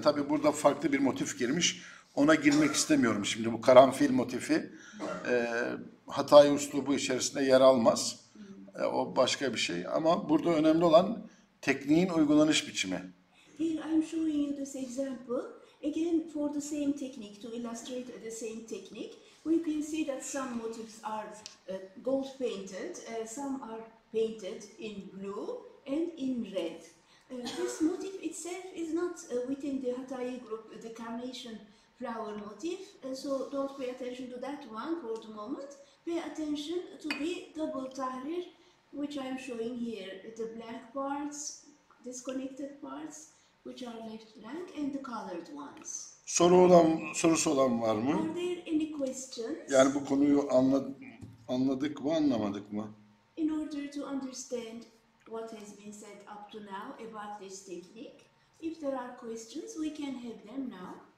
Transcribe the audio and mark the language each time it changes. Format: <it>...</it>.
<tr>Tabii burada farklı bir motif girmiş. Ona girmek istemiyorum şimdi. Bu karanfil motifi Hatay üslubu içerisinde yer almaz. O başka bir şey. Ama burada önemli olan tekniğin uygulanış biçimi.</tr> <en>Here I'm showing you this example. Again for the same technique, to illustrate the same technique. We can see that some motifs are gold painted, some are painted in blue and in red. This motif itself is not within the Hatay group, the carnation flower motif. So don't pay attention to that one for the moment. Pay attention to the double tahrir, which I'm showing here. The black parts, disconnected parts, which are left blank, and the colored ones.</en> <tr>Sorusu olan var mı?</tr> <en>Are there any questions?</en> <tr>Yani bu konuyu anladık mı, anlamadık mı?</tr> <en>In order to understand what has been said up to now about this technique, If there are questions, we can have them now.</en>